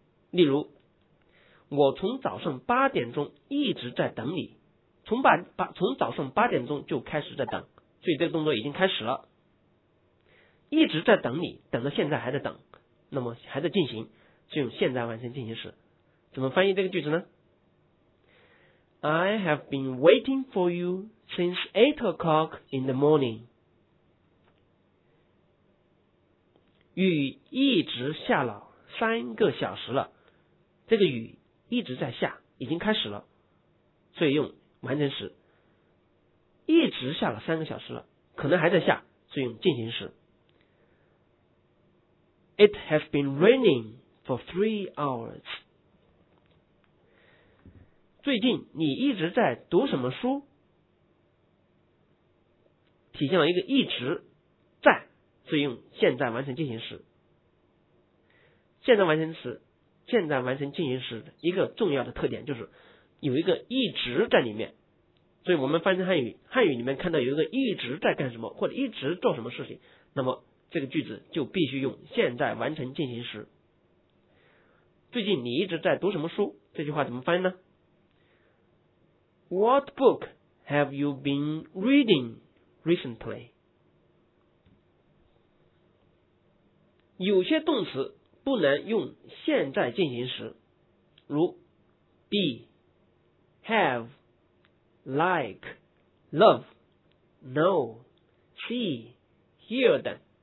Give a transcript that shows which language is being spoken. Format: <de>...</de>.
<zh>例如，我从早上八点钟一直在等你，从早上八点钟就开始在等，所以这个动作已经开始了，一直在等你，等到现在还在等，那么还在进行，就用现在完成进行时。怎么翻译这个句子呢？</zh> <en>I have been waiting for you since 8 o'clock in the morning.</en> <zh>雨一直下了三个小时了，这个雨一直在下，已经开始了，所以用完成时。一直下了三个小时了，可能还在下，所以用进行时。</zh> <en>It has been raining for 3 hours.</en> <zh>最近你一直在读什么书？体现了一个一直在，所以用现在完成进行时。现在完成进行时一个重要的特点就是有一个一直在里面，所以我们翻成汉语里面看到有一个一直在干什么或者一直做什么事情，那么这个句子就必须用现在完成进行时。最近你一直在读什么书？这句话怎么翻呢？</zh> <en>What book have you been reading recently?</en> <zh>有些动词不能用现在进行时，如 be, have, like, love, know, see, hear 等。</zh>